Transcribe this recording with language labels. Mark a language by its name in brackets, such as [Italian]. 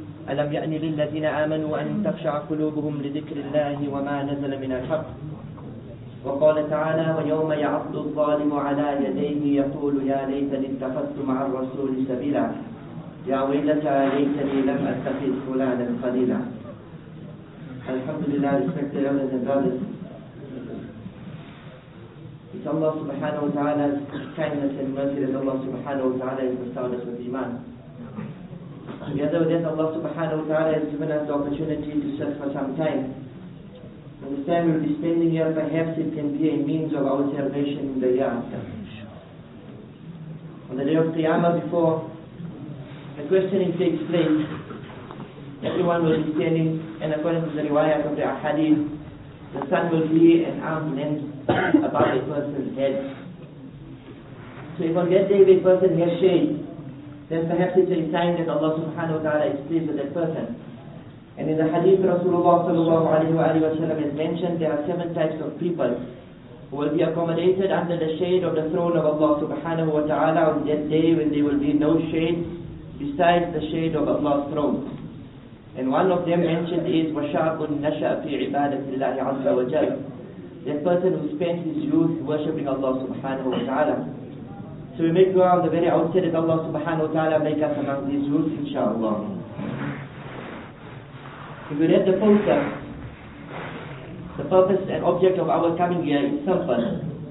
[Arabic] ألم يأن للذين آمنوا أن تخشع قلوبهم لذكر الله وما نزل من الحق؟ وقال تعالى: ويوم يعض الظالم على يديه يقول يا ليتني اتخذت مع الرسول سبيلا، يا ويلتى ليتني لم أتخذ فلانا خليلا. [English] Alhamdulillah, respected elders and brothers. It's Allah subhanahu wa ta'ala's kindness and mercy that Allah subhanahu wa ta'ala has bestowed us with iman. Together with that, Allah subhanahu wa ta'ala has given us the opportunity to sit for some time. And this time we'll be spending here, perhaps it can be a means of our salvation in the year. On the day of Qiyamah, before the questioning takes place, everyone will be standing, and according to the riwayat of the ahadith, the sun will be an arm's length above a person's head. So if on that day the person has shade, then perhaps it's a sign that Allah subhanahu wa ta'ala is pleased with that person. And in the hadith, Rasulullah sallallahu alayhi wa sallam has mentioned there are seven types of people who will be accommodated under the shade of the throne of Allah subhanahu wa ta'ala on that day when there will be no shade besides the shade of Allah's throne. And one of them mentioned is [Arabic] وَشَعْبٌ نَشَأْ فِي عِبَادَةِ اللَّهِ عَزَّ وَجَلْ. [English] That person who spends his youth worshipping Allah subhanahu wa ta'ala. So we make dua on the very outset that Allah subhanahu wa ta'ala make us among these youths, inshaAllah. If we read the poster, the purpose and object of our coming here is simple.